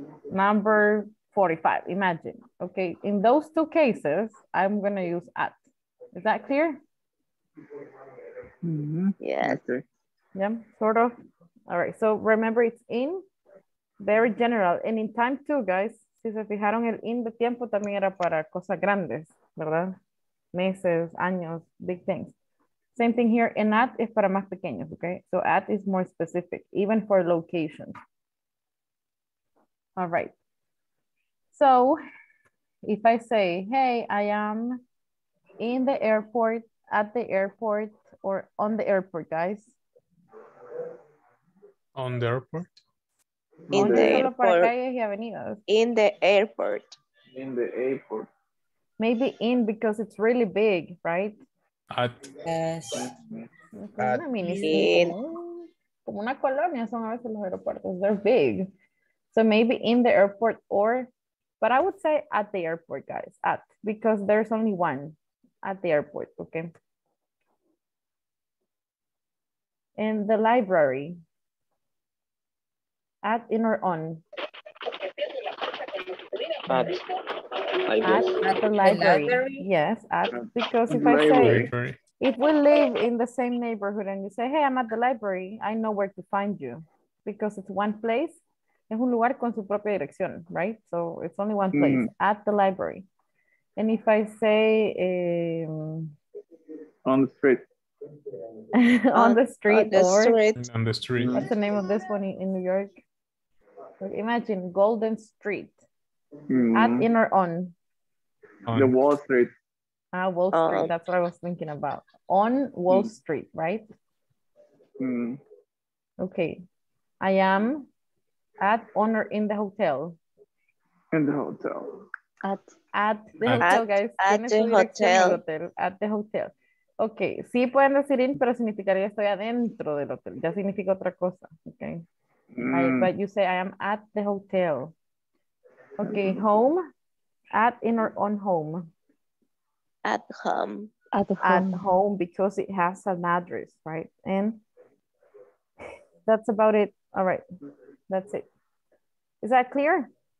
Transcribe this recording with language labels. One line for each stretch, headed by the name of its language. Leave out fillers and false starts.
English: Number 45, imagine. Okay, in those two cases, I'm gonna use at. Is that clear? Mm-hmm. Yes. Yeah, sort of. All right, so remember it's in, very general, and in time too, guys.
Spanish: Si se fijaron, el in de tiempo también era para cosas grandes, ¿verdad? Meses, años,
English: big things. Same thing here, and at is
Spanish: para más pequeños,
English: okay? So at is more specific, even for location. All right. So if I say, hey, I am in the airport, at the airport, or on the airport, guys. On the airport? In the airport. In the airport. In the airport. Maybe in because it's really big, right? At. Yes. At.
Spanish: Una
English: mini city,
Spanish: como una colonia son a veces los aeropuertos.
English: They're big. So maybe in the airport or, but I would say at the airport, guys. At, because there's only one at the airport, okay? In the library. At, in, or on? At. At the library. Yes, at, because if I say, if we live in the same neighborhood and you say, hey, I'm at the library, I know where to find you because it's one place.
Spanish: Es un lugar con su propia dirección, right?
English: So it's only one place, at the library. And if I say... on the street. On the street. On the street. On the street. What's the name of this one in New York? Imagine Golden Street. At, in, or on? The Wall Street. Ah, Wall Street. That's what I was thinking about. On Wall Street, right? Okay. I am at, on, or in the hotel? In the hotel. At the hotel, guys. At the hotel. At the hotel. Okay.
Spanish: Sí pueden decir in, pero significaría estoy adentro del hotel. Ya significa otra cosa. Okay.
English: But you say I am at the hotel. Okay, home, at, in, or on home? At home. At home. At home because it has an address, right? And that's about it. All right, that's it. Is that clear?